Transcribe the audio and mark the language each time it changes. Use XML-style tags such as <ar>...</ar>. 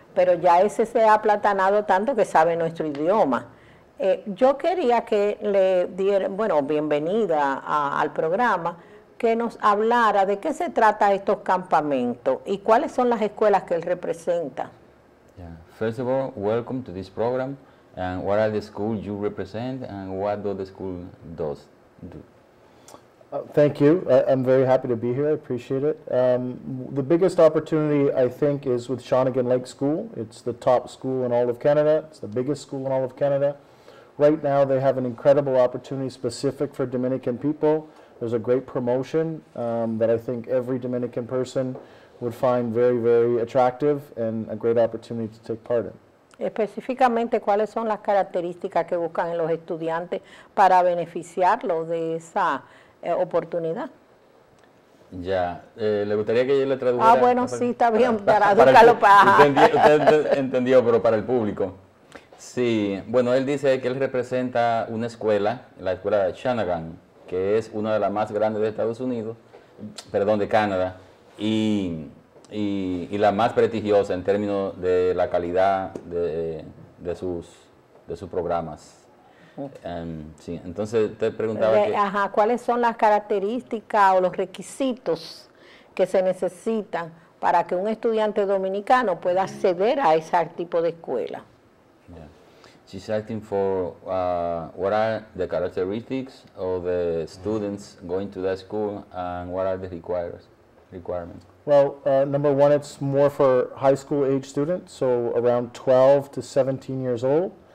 <es>Pero ya ese se ha aplatanado tanto que sabe nuestro idioma. Yo quería que le diera, bueno, bienvenida al programa, que nos hablara de qué se trata estos campamentos y cuáles son las escuelas que él representa.</es> <en>Yeah. First of all, welcome to this program. And what are the schools you represent and what do the school does do? Thank you. I'm very happy to be here. I appreciate it. The biggest opportunity, I think, is with Shawinigan Lake School. It's the top school in all of Canada. It's the biggest school in all of Canada. Right now, they have an incredible opportunity specific for Dominican people. There's a great promotion that I think every Dominican person would find very, very attractive and a great opportunity to take part in.</en> <es>Específicamente, ¿cuáles son las características que buscan en los estudiantes para beneficiarlos de esa oportunidad? Ya, le gustaría que yo le tradujera. Ah, bueno, sí, está bien, para educarlo usted entendió, pero para el público. Sí, bueno, él dice que él representa una escuela, la escuela de Shawinigan, que es una de las más grandes de Estados Unidos, perdón, de Canadá, y la más prestigiosa en términos de la calidad de sus programas. Sí, entonces te preguntaba ¿cuáles son las características o los requisitos que se necesitan para que un estudiante dominicano pueda acceder a ese tipo de escuela?</es> <en>She's asking for what are the characteristics of the students going to that school and what are the requirements? Well, number one, it's more for high school age students, so around 12 to 17 years old.</en>